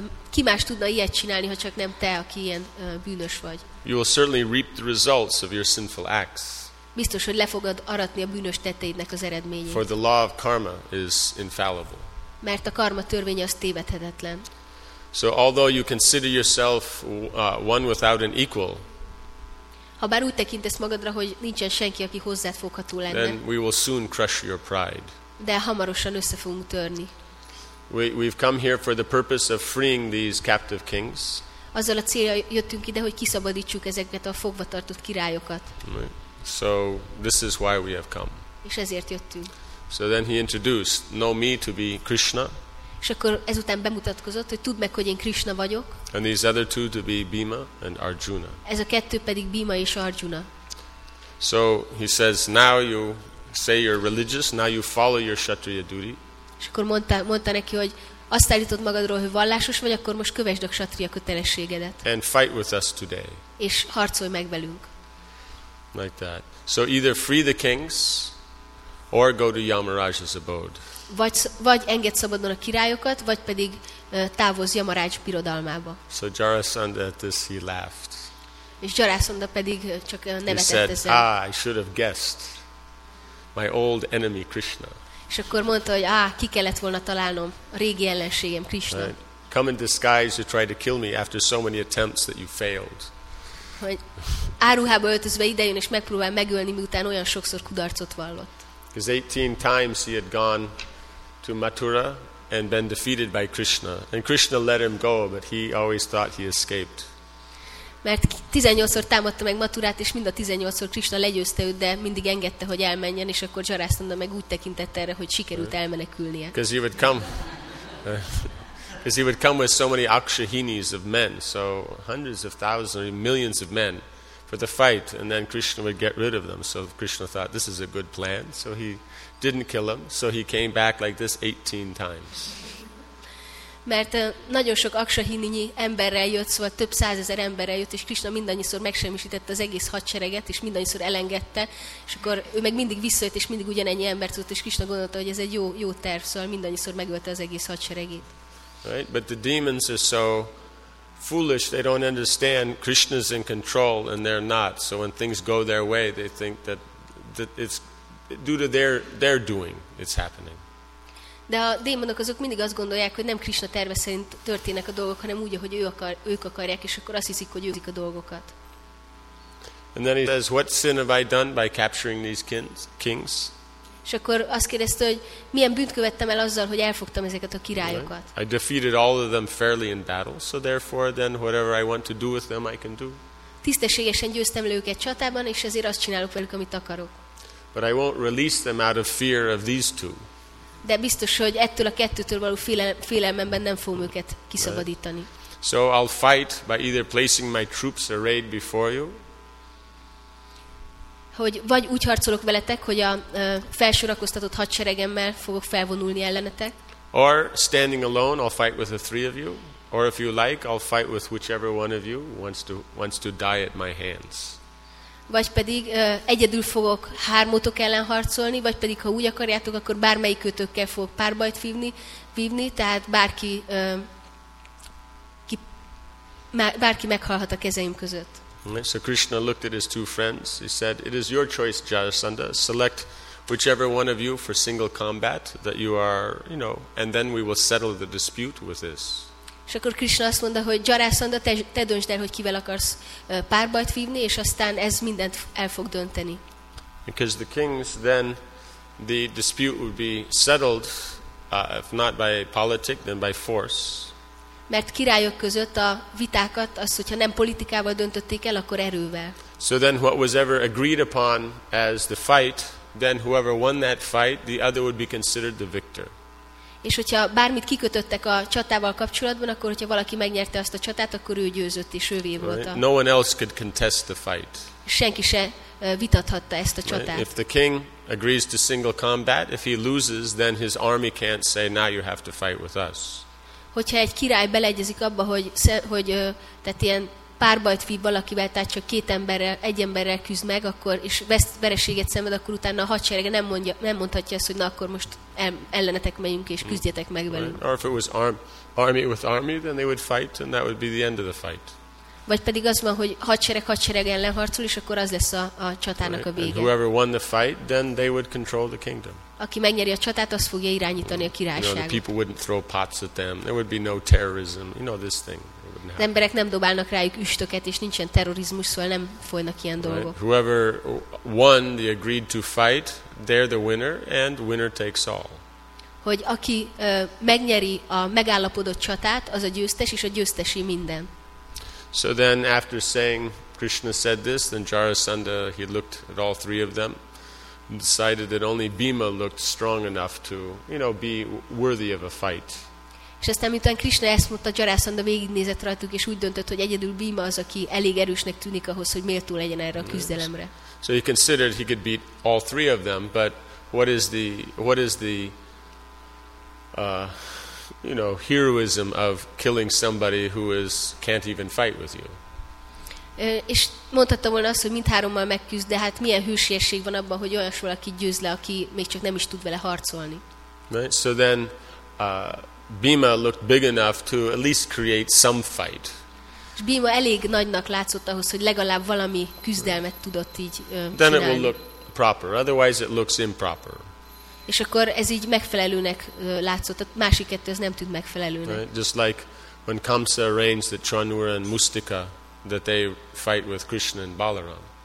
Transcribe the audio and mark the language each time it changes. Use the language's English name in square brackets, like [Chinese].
[Hungarian] Ki más tudna ilyet csinálni, ha csak nem te, aki ilyen bűnös vagy. [English] You will certainly reap the results of your sinful acts. [Hungarian] Biztos, hogy le fogod aratni a bűnös tetteidnek az eredményét. [English] For the law of karma is infallible. [Hungarian] Mert a karma törvénye az tévedhetetlen. [English] So although you consider yourself one without an equal. [Hungarian] Ha bár úgy tekintesz magadra, hogy nincsen senki, aki hozzád fogható lenne. [English] Then we will soon crush your pride. [Hungarian] De hamarosan össze fogunk törni. [English] We've come here for the purpose of freeing these captive kings. [Hungarian] Azzal a célja jöttünk ide, hogy kiszabadítsuk ezeket a fogvatartott királyokat. [English] So this is why we have come. [Hungarian] És ezért jöttünk. [English] So then he introduced, know me to be Krishna. [Hungarian] És akkor ezután bemutatkozott, hogy tudd meg, hogy én Krishna vagyok. [English] And these other two to be Bhima and Arjuna. [Hungarian] Ez a kettő pedig Bhima és Arjuna. [English] So he says, now you say you're religious, now you follow your Kshatriya duty. [Hungarian] És akkor mondta neki, hogy azt állított magadról, hogy vallásos vagy, akkor most kövesd a ksatria kötelességedet. [English] And fight with us today. [Hungarian] És harcolj meg velünk. [English] Like that. So either free the kings, or go to Yamaraj's abode. [Hungarian] Vagy engedd szabadon a királyokat, vagy pedig távozz Yamaraj birodalmába. [English] So Jarasandha at this he laughed. [Hungarian] És Jarasandha pedig csak nevetett [English] He said, I should have guessed. My old enemy Krishna. [Hungarian] És akkor mondta, hogy ki kellett volna találnom a régi ellenségem Krishna. [English] Right. Come in disguise to try to kill me after so many attempts that you failed. [Hungarian] Hogy áruhába öltözve idejön és megpróbál megölni, miután olyan sokszor kudarcot vallott. [English] Because 18 times he had gone to Mathura and been defeated by Krishna, and Krishna let him go, but he always thought he escaped. [Hungarian] mert 18-szor támadta meg Maturát, és mind a 18-szor Krisna legyőzte őt, de mindig engedte, hogy elmenjen, és akkor Jarasandha meg úgy tekintette erre, hogy sikerült elmenekülnie. [English] Because he would come, with so many akshahinis of men, so hundreds of thousands, millions of men for the fight, and then Krishna would get rid of them. So Krishna thought, this is a good plan, so he didn't kill him, so he came back like this 18 times. [Hungarian] Mert nagyon sok akshahininyi emberrel jött, szóval több százezer emberrel jött, és Krishna mindannyiszor megsemmisítette az egész hadsereget, és mindannyiszor elengedte, és akkor ő meg mindig visszajött, és mindig ugyanennyi embert tudott, és Krishna gondolta, hogy ez egy jó terv, szóval mindannyiszor megölte az egész hadseregét. [English] Right, but the demons are so foolish, they don't understand Krishna's in control, and they're not. So when things go their way, they think that it's due to their doing, it's happening. [Hungarian] De a démonok azok mindig azt gondolják, hogy nem Krishna terve szerint történnek a dolgok, hanem úgy, ahogy ők akarják, és akkor azt hiszik, hogy őzik a dolgokat. [English] And then he says, what sin have I done by capturing these kings? [Hungarian] És akkor azt kérdezte, hogy milyen bűnt követtem el azzal, hogy elfogtam ezeket a királyokat. [English] I defeated all of them fairly in battle, so therefore then whatever I want to do with them, I can do. [Hungarian] Tisztességesen győztem le őket csatában, és ezért azt csinálok velük, amit akarok. [English] But I won't release them out of fear of these two. [Hungarian] De biztos, hogy ettől a kettőtől való félelmemben nem fogom őket kiszabadítani. [English] So I'll fight by either placing my troops arrayed before you. [Hungarian] Hogy vagy úgy harcolok veletek, hogy a felsorakoztatott hadseregemmel fogok felvonulni ellenetek. [English] Or standing alone, I'll fight with the three of you. Or if you like, I'll fight with whichever one of you wants to die at my hands. [Hungarian] Vagy pedig egyedül fogok hármotok ellen harcolni, vagy pedig, ha úgy akarjátok, akkor bármelyik kötőkkel fogok párbajt vívni, tehát bárki meghalhat a kezeim között. [English] So Krishna looked at his two friends. He said, it is your choice, Jarasandha. Select whichever one of you for single combat that you are, you know, and then we will settle the dispute with this. [Hungarian] És akkor Krishna azt mondta, hogy Jarasandha, te döntsd el, hogy kivel akarsz párbajt vívni, és aztán ez mindent el fog dönteni. [English] Because the kings, then the dispute would be settled, if not by politic, then by force. [Hungarian] Mert királyok között a vitákat, az, hogyha nem politikával döntötték el, akkor erővel. [English] So then what was ever agreed upon as the fight, then whoever won that fight, the other would be considered the victor. [Hungarian] És hogyha bármit kikötöttek a csatával kapcsolatban, akkor hogyha valaki megnyerte azt a csatát, akkor ő győzött és ővé volt. [English] Right? No one else could contest the fight. [Hungarian] Senki se vitathatta ezt a csatát. [English] Right? If the king agrees to single combat, if he loses, then his army can't say, now you have to fight with us. [Hungarian] Hogyha egy király beleegyezik abba, hogy tehát ilyen párbajt vív valakivel, tehát csak két emberrel, egy emberrel küzd meg, akkor, és vereséget szenved, akkor utána a hadserege nem mondhatja azt, hogy na akkor most ellenetek megyünk, és küzdjetek meg velünk. [English] Or if it was army with army, then they would fight, and that would be the end of the fight. [Hungarian] Vagy pedig az van, hogy hadsereg ellen harcol, és akkor az lesz a csatának a vége. [English] And whoever won the fight, then they would control the kingdom. [Hungarian] Aki megnyeri a csatát, az fogja irányítani a királyságot. [English] You know, the people wouldn't throw pots at them. There would be no terrorism. You know this thing. [Hungarian] Az emberek nem dobálnak rájuk üstöket, és nincsen terrorizmus, szóval nem folynak ilyen dolgok. [English] Right. Whoever won the agreed to fight, they're the winner, and winner takes all. [Hungarian] Hogy aki megnyeri a megállapodott csatát, az a győztes, és a győztesi minden. [English] So then after saying Krishna said this, then Jarasandha, he looked at all three of them and decided that only Bhima looked strong enough to, you know, be worthy of a fight. [Hungarian] És aztán, miután Krishna ezt mondta, Jarasandha végignézett rajtuk, és úgy döntött, hogy egyedül Bhima az, aki elég erősnek tűnik ahhoz, hogy méltó legyen erre a küzdelemre. [English] So he considered he could beat all three of them, but what is the heroism of killing somebody who can't even fight with you? [Hungarian] És mondhatta volna azt, hogy mindhárommal megküzd, de hát milyen hűségség van abban, hogy olyas valaki győz le, aki még csak nem is tud vele harcolni. [English] Right, so then Bhima looked big enough to at least create some fight. [Hungarian] És Bhima elég nagynak látszott ahhoz, hogy legalább valami küzdelmet tudott így csinálni. [English] Then it will look proper, otherwise it looks improper. [Hungarian] És akkor ez így megfelelőnek látszott, a másik kettő ez nem tud megfelelőnek. [English] Right? Just like when Kamsa arranged that Chanura and Mustika, that they fight with Krishna and Balaram.